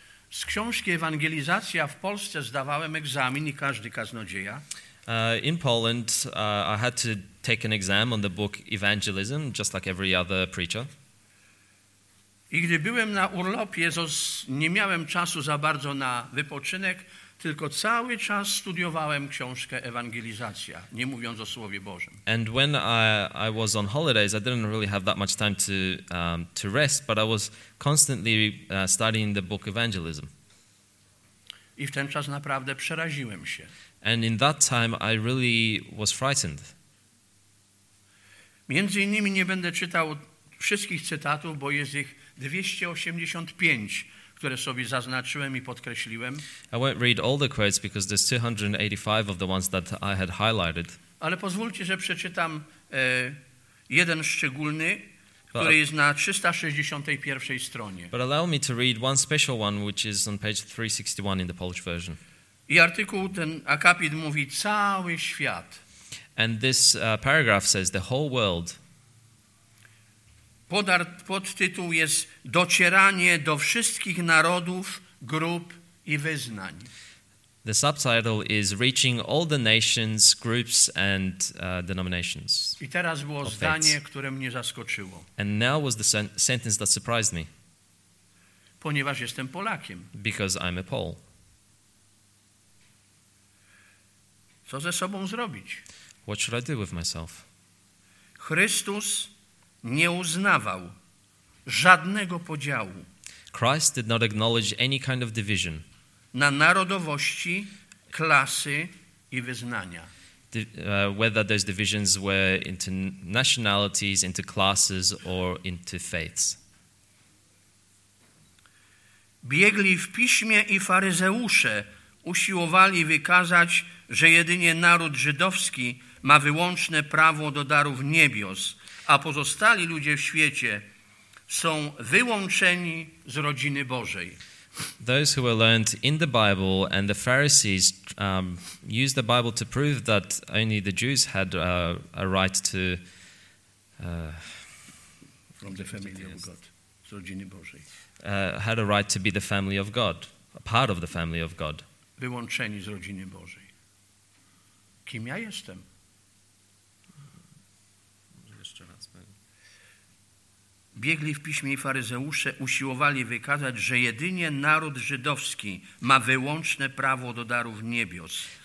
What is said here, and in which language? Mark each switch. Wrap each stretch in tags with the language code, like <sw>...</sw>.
<pl>Z książki Ewangelizacja w Polsce zdawałem egzamin i każdy kaznodzieja.</pl> <en>In Poland, I had to take an exam on the book Evangelism, just like every other preacher.</en> <pl>I gdy byłem na urlopie, nie miałem czasu za bardzo na wypoczynek, tylko cały czas studiowałem książkę Ewangelizacja, nie mówiąc o Słowie Bożym.</pl> <en>And when I was on holidays, I didn't really have that much time to rest, but I was constantly studying the book Evangelism.</en> <pl>I w ten czas naprawdę przeraziłem się.</pl> <en>And in that time I really was frightened.</en> <pl>Między innymi nie będę czytał wszystkich cytatów, bo jest ich 285. Które sobie zaznaczyłem i podkreśliłem.</pl> <en>I won't read all the quotes because there's 285 of the ones that I had highlighted.</en> <pl>Ale pozwólcie, że przeczytam jeden szczególny, który jest na 361 stronie.</pl> <en>But allow me to read one special one, which is on page 361 in the Polish version.</en> <pl>I artykuł ten akapit mówi cały świat.</pl> <en>And this paragraph says the whole world.</en> <pl>Podtytuł jest docieranie do wszystkich narodów, grup i wyznań.</pl> <en>The subtitle is reaching all the nations, groups and denominations.</en> <pl>I teraz było zdanie, które mnie zaskoczyło.</pl> <en>And now was the sentence that surprised me.</en> <pl>Ponieważ jestem Polakiem.</pl> <en>Because I'm a Pole.</en> <pl>Co ze sobą zrobić?</pl> <en>What should I do with myself?</en> <pl>Chrystus nie uznawał żadnego podziału.</pl> <en>Christ did not acknowledge any kind of division.</en> <pl>Na narodowości, klasy i wyznania.</pl> <en>Whether those divisions were into nationalities, into classes or into faiths.</en> <pl>Biegli w piśmie i faryzeusze usiłowali wykazać, że jedynie naród żydowski ma wyłączne prawo do darów niebios, a pozostali ludzie w świecie są wyłączeni z rodziny Bożej.</pl> <en>Those who were learned in the Bible and the Pharisees used the Bible to prove that only the Jews had a right to from the family of God,</en> <pl>z rodziny Bożej.</pl> <en>Had a right to be the family of God, a part of the family of God.</en> <pl>Wyłączeni z rodziny Bożej. Kim ja jestem? Biegli w piśmie i faryzeusze usiłowali wykazać, że jedynie naród żydowski ma wyłączne prawo do darów niebios.</pl>